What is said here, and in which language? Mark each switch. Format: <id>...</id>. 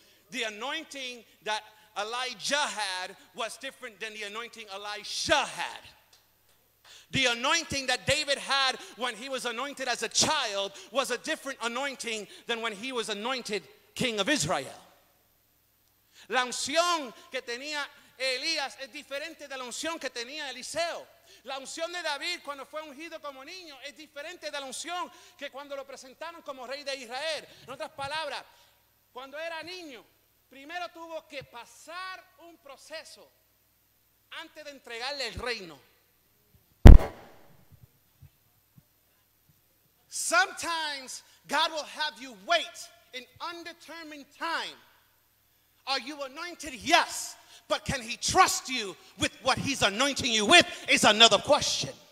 <en>The anointing that Elijah had was different than the anointing Elisha had. The anointing that David had when he was anointed as a child was a different anointing than when he was anointed king of Israel.</en> <es>La unción que tenía Elías es diferente de la unción que tenía Eliseo. La unción de David cuando fue ungido como niño es diferente de la unción que cuando lo presentaron como rey de Israel. En otras palabras, cuando era niño, primero tuvo que pasar un proceso antes de entregarle el reino.</es> <en>Sometimes God will have you wait in undetermined time. Are you anointed? Yes. But can he trust you with what he's anointing you with is another question.</en>